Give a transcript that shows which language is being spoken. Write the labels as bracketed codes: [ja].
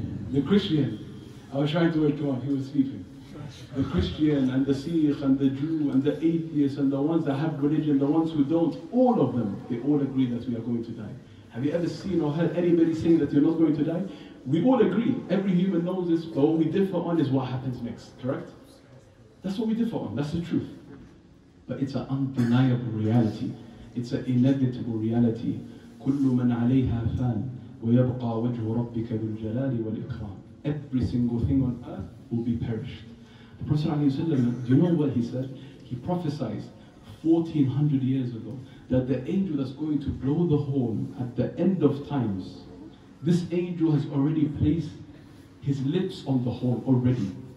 [en] The Christian, I was trying to wake him up, he was sleeping. The Christian and the Sikh and the Jew and the atheist and the ones that have religion, the ones who don't, all of them, they all agree that we are going to die. Have you ever seen or heard anybody saying that you're not going to die? We all agree, every human knows this, but what we differ on is what happens next, correct? That's what we differ on, that's the truth. But it's an undeniable reality. It's an inevitable reality. [ar] كل من عليها فان ويبقى وجه ربك بالجلال والإكرام. [en] every single thing on earth will be perished. The Prophet ﷺ, do you know what he said? He prophesied 1400 years ago that the angel that's going to blow the horn at the end of times, this angel has already placed his lips on the horn already.